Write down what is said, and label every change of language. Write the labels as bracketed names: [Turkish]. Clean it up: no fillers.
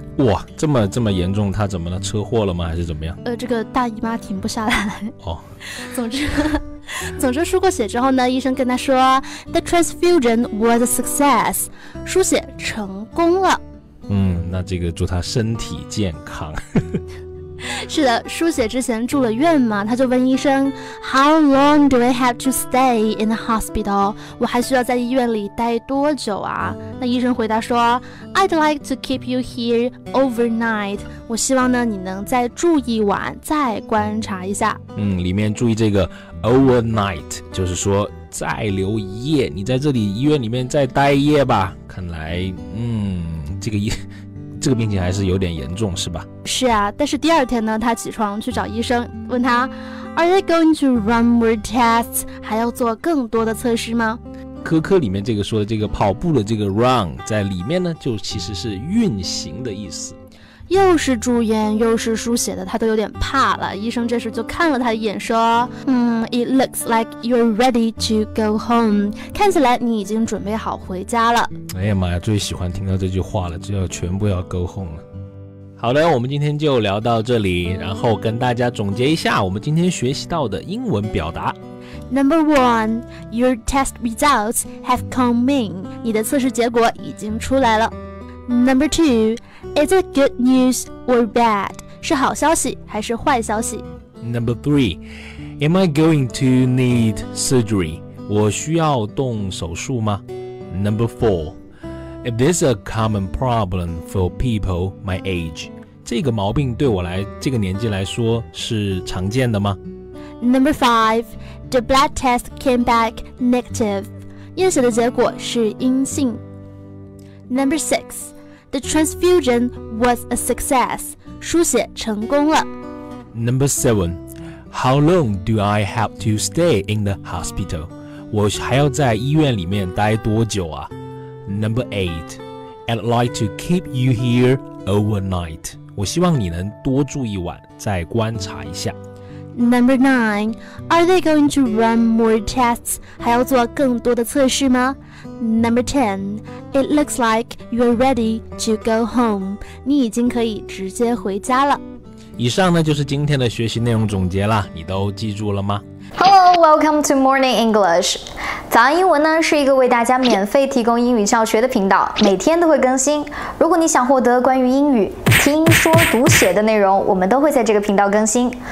[Chinese] 哇，这么严重，他怎么了？车祸了吗还是怎么样？这个大姨妈停不下来。哦，总之输过血之后呢，医生跟他说 [English] The transfusion was a success， [Chinese] 输血成功了。那这个祝他身体健康。是的，输血之前住了院嘛，他就问医生 [English] How long do I have to stay in the hospital？ [Chinese] 我还需要在医院里待多久啊？那医生回答说 [English] I'd like to keep you here overnight， [Chinese] 我希望呢你能再住一晚，再观察一下。里面注意这个 overnight， 就是说再留一夜，你在这里医院里面再待一夜吧。看来，这个病情还是有点严重，是吧？是啊，但是第二天呢，他起床去找医生，问他 ， [English] Are they going to run more tests？ [Chinese] 还要做更多的测试吗？科科里面这个说的这个跑步的这个 run， 在里面呢，就其实是运行的意思。又是住院又是输血的，他都有点怕了。医生这时就看了他一眼，说： [English] “It looks like you're ready to go home。” [Chinese] 看起来你已经准备好回家了。哎呀妈呀，最喜欢听到这句话了，就要全部要 [English] go home [Chinese] 了。好的，我们今天就聊到这里，然后跟大家总结一下我们今天学习到的英文表达。 [English] Number one, your test results have come in. [Chinese] 你的测试结果已经出来了。 [English] Number two, is it good news or bad? [Chinese] 是好消息还是坏消息？ [English] Number three, am I going to need surgery? [Chinese] 我需要动手术吗？ [English] Number four, it is a common problem for people my age. [Chinese] 这个毛病对我来这个年纪来说是常见的吗？ [English] Number five, the blood test came back negative. [Chinese] 验血的结果是阴性。 [English] Number six, the transfusion was a success. [Chinese] 输血成功了。 [English] Number seven, how long do I have to stay in the hospital? [Chinese] 我还要在医院里面待多久啊？ [English] Number eight, I'd like to keep you here overnight. [Chinese] 我希望你能多住一晚，再观察一下。 [English] Number nine, are they going to run more tests? [Chinese] 还要做更多的测试吗？ [English] Number 10, it looks like you're ready to go home. [Chinese] 你已经可以直接回家了。以上呢就是今天的学习内容总结了，你都记住了吗？ [English] Hello, welcome to Morning English. [Chinese] 早安英文呢是一个为大家免费提供英语教学的频道，每天都会更新。如果你想获得关于英语听说读写的内容，我们都会在这个频道更新。